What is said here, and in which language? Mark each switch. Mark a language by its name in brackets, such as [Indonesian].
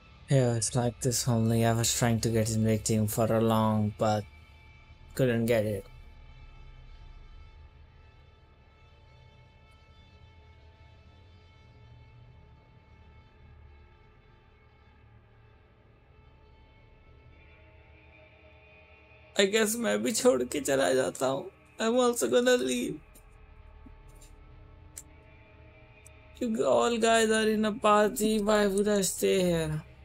[English] Yeah, it's like this only. I was trying to get his victim for a long, but couldn't get it. I guess [Hindi] मैं भी छोड़ के चला जाता हूँ. [English] I'm also gonna leave. You all guys are in a party. Why would I stay here?